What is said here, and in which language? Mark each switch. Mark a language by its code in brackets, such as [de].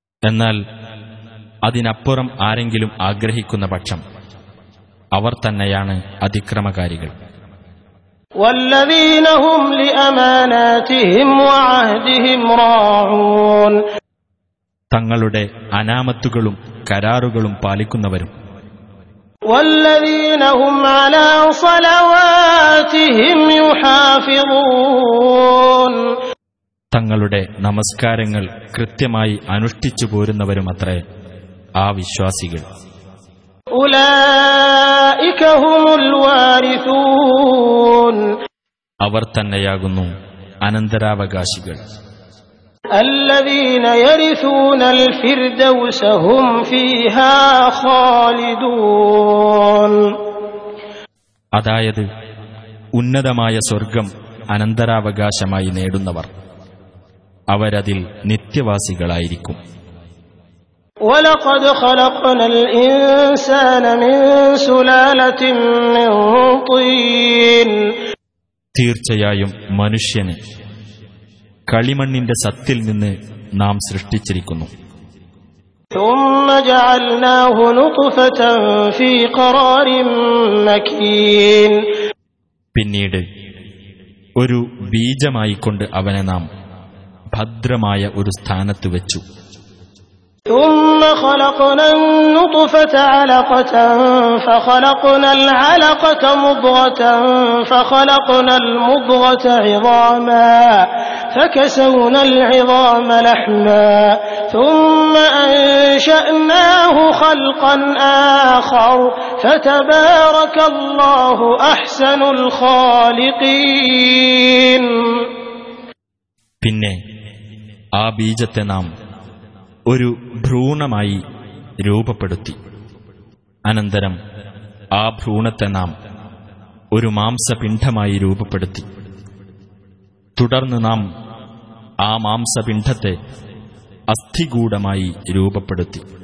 [ml] എന്നാൽ അതിനപ്പുറം ആരെങ്കിലും ആഗ്രഹിക്കുന്ന പക്ഷം അവർ തന്നെയാണ് അതിക്രമകാരികൾ. [ar] والذين هم لأماناتهم وعهدهم راعون. [ml] തങ്ങളുടെ അനാമത്തുകളും കരാറുകളും പാലിക്കുന്നവരും. [ar] والذين هم على صلواتهم يحافظون. [ml] തങ്ങളുടെ നമസ്കാരങ്ങൾ കൃത്യമായി അനുഷ്ഠിച്ചു പോരുന്നവരുമത്രേ ആ വിശ്വാസികൾ. [ar] أولئك هم الوارثون. [ml] അവർ തന്നെയാകുന്നു അനന്തരാവകാശികൾ. [ar] الذين يرثون الفردوس هم فيها خالدون. [ml] അതായത് ഉന്നതമായ സ്വർഗം അനന്തരാവകാശമായി നേടുന്നവർ അവരതിൽ നിത്യവാസികളായിരിക്കും. [ar] وَلَقَدْ خَلَقْنَا الْإِنسَانَ مِنْ سُلَالَةٍ مِنْ طِينٍ. [ml] തീർച്ചയായും മനുഷ്യനെ കളിമണ്ണിന്റെ സത്തിൽ നിന്ന് നാം സൃഷ്ടിച്ചിരിക്കുന്നു. [ar] ثُمَّ جَعَلْنَاهُ نُطْفَةً فِي قَرَارٍ مَكِينٍ. [ml] പിന്നീട് ഒരു ബീജമായി കൊണ്ട് അവനെ നാം ഭദ്രമായ ഒരു സ്ഥാനത്ത് വെച്ചു. [ar] ثم خلقنا النطفة علقة فخلقنا العلقة مضغة فخلقنا المضغة عظاما فكسونا العظام لحما ثم أنشأناه خلقا آخر فتبارك الله أحسن الخالقين. [ml] പിന്നെ ആ ബീജത്തെ നാം ഒരു ഭ്രൂണമായി രൂപപ്പെടുത്തി. അനന്തരം ആ ഭ്രൂണത്തെ നാം ഒരു മാംസപിണ്ഡമായി രൂപപ്പെടുത്തി. തുടർന്ന് നാം ആ മാംസപിണ്ഡത്തെ അസ്ഥികൂടമായി രൂപപ്പെടുത്തി.